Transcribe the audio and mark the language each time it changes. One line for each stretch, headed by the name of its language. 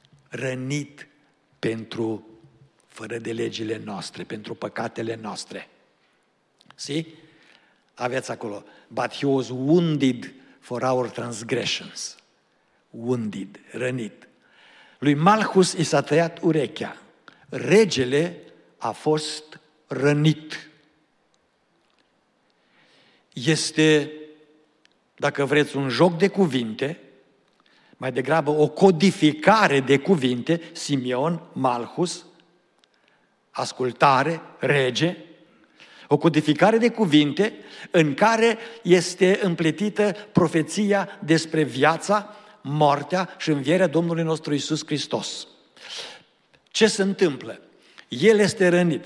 Romanian: Rănit pentru fărădelegile noastre, pentru păcatele noastre.
English: See?
Romanian: Aveți acolo.
English: But he was wounded for our transgressions. Wounded, rănit.
Romanian: Lui Malhus i s-a tăiat urechea. Regele a fost rănit. Este, dacă vreți, un joc de cuvinte, mai degrabă o codificare de cuvinte, Simeon, Malhus, ascultare, rege, o codificare de cuvinte în care este împletită profeția despre viața, moartea și învierea Domnului nostru Iisus Hristos. Ce se întâmplă? El este rănit.